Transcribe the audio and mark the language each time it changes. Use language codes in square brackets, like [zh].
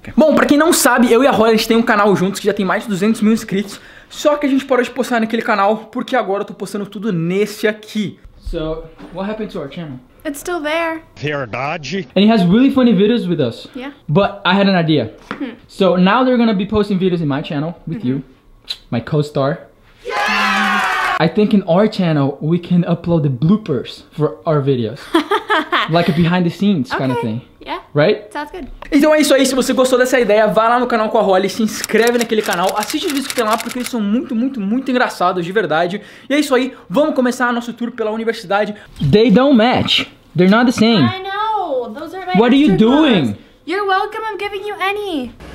[pt] Bom, pra quem não sabe, eu e a Holly, a gente tem um canal juntos que já tem mais de 200 mil inscritos. Só que a gente parou de postar naquele canal porque agora eu tô postando tudo nesse aqui. [en] So, what happened to our channel? It's still there. [pt] Verdade. [en] And he has really funny videos with us. Yeah. But I had an idea. So now they're gonna be posting videos in my channel with you, my co-star. Yeah! I think in our channel, we can upload the bloopers for our videos. Like a behind the scenes kind of thing. Yeah. Right? Sounds good. [pt] Então é isso aí. Se você gostou dessa ideia, vai lá no canal com a Holly, se inscreve naquele canal, assiste os vídeos que tem lá, porque eles são muito, muito, muito engraçados, de verdade. E é isso aí. Vamos começar nosso tour pela universidade. [en] They don't match. They're not the same. I know. Those are my What are you doing? Clothes. You're welcome. I'm giving you any.